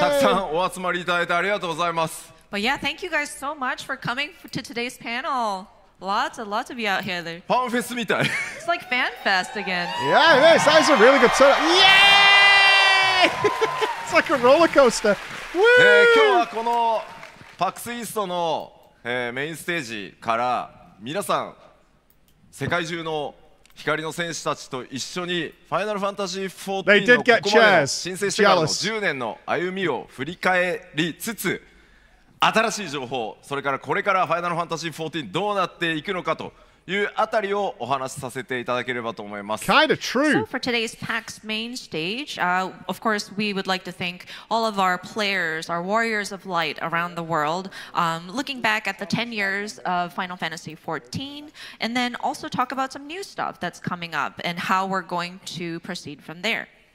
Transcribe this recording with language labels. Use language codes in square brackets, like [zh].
[ja] たくさんお集まりいただいてありがとうございます. [en] But yeah, thank you guys so much for coming to today's panel. Lots and lots of you out here. There. [ja] ファンフェスみたい. [en] It's like fan fest again. Yeah, it is. That is a really good setup. Yay! It's like a roller coaster. Woo! [ja] 今日はこの PAX EASTの メインステージから皆さん世界中の 光の戦士たちと一緒にファイナルファンタジー14の10年の歩みを振り返りつつ新しい情報それからこれからファイナルファンタジー14どうなっていくのかというあたりをお話しさせていただければと思います。 [en] Kind of true. So for today's PAX main stage, of course we would like to thank all of our players, our warriors of light around the world, looking back at the 10 years of Final Fantasy 14, and then also talk about some new stuff that's coming up and how we're going to proceed from there.